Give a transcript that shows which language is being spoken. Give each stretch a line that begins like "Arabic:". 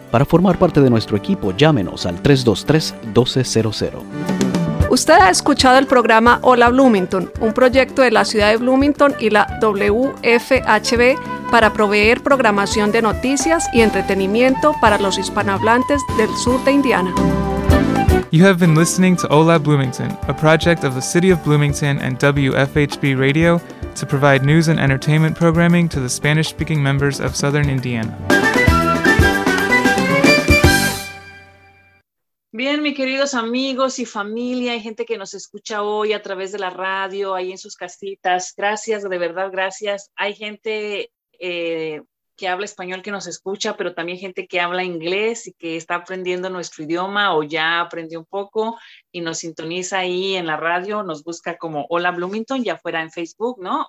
Spanish: Para formar parte de nuestro equipo, llámenos al 323-1200. Usted ha escuchado el programa Hola Bloomington, un proyecto de la ciudad de Bloomington y la WFHB para proveer programación de noticias y entretenimiento para los hispanohablantes del sur de Indiana.
English: You have been listening to Hola Bloomington, a project of the City of Bloomington and WFHB Radio, to provide news and entertainment programming to the Spanish-speaking members of Southern Indiana.
Spanish: Bien, mis queridos amigos y familia, hay gente que nos escucha hoy a través de la radio, ahí en sus casitas. Gracias, de verdad, gracias. Hay gente que habla español que nos escucha, pero también gente que habla inglés y que está aprendiendo nuestro idioma o ya aprendió un poco y nos sintoniza ahí en la radio, nos busca como Hola Bloomington, ya fuera en Facebook, ¿no?